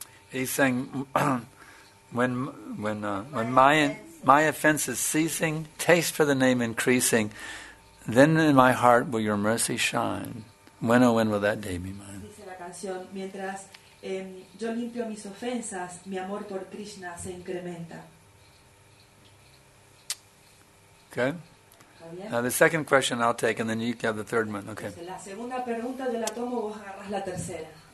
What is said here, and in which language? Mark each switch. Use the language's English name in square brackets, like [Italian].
[English] He's saying when my offense is ceasing, taste for the name increasing, then in my heart will your mercy shine. When, oh, when will that day be mine? [Spanish] Dice la canción, mientras yo limpio mis ofensas, mi amor por Krishna se incrementa. [English] Okay. Now the second question I'll take, and then you have the third one. Okay. [Spanish] La segunda pregunta yo la tomo, vos agarras la tercera.